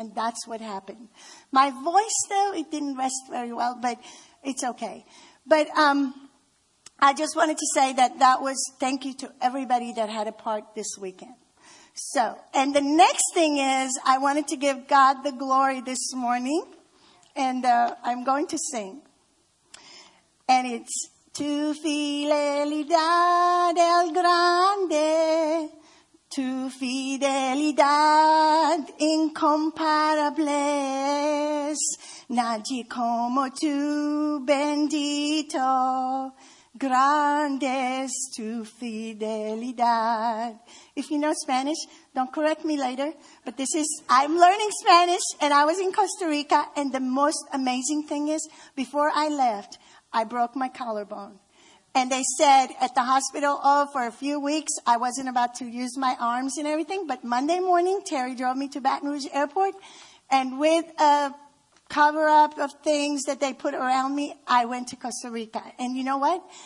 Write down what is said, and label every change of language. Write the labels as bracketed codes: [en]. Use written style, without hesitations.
[en] And that's what happened. My voice, though, it didn't rest very well, but it's okay. But I just wanted to say that was thank you to everybody that had a part this weekend. So, and the next thing is, I wanted to give God the glory this morning, and I'm going to sing. And it's, [es] tu fidelidad el grande, tu fidelidad incomparable es, nadie como tú bendito, grande es tu fidelidad. [en] If you know Spanish, don't correct me later, but I'm learning Spanish, and I was in Costa Rica, and the most amazing thing is, before I left, I broke my collarbone. And they said at the hospital, oh, for a few weeks, I wasn't about to use my arms and everything, but Monday morning, Terry drove me to Baton Rouge Airport, and with a cover-up of things that they put around me, I went to Costa Rica. And you know what?